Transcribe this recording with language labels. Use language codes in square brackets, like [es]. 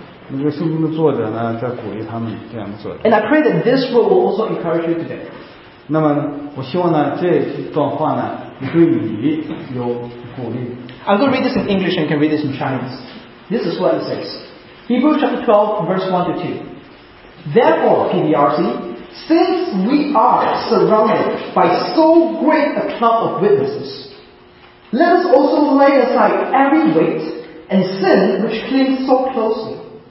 [zh] 那个圣经的作者呢，在鼓励他们这样做。 [en] And I pray that this word will also encourage you today. [zh] 那么我希望呢，这段话呢，对你有鼓励。 [en] I'm going to read this in English and you can read this in Chinese. This is what it says. Hebrews chapter 12, verse 1 to 2. Therefore, PBRC,Since we are surrounded by so great a cloud of witnesses, let us also lay aside every weight and sin which clings so closely.